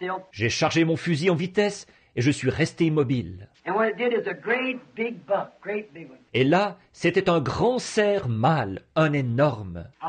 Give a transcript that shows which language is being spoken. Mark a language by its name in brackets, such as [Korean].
[French] J'ai chargé mon fusil en vitesse et je suis resté immobile. [English] And what it did is a great big buck, great big one. [French] Et là, c'était un grand cerf mâle, un énorme.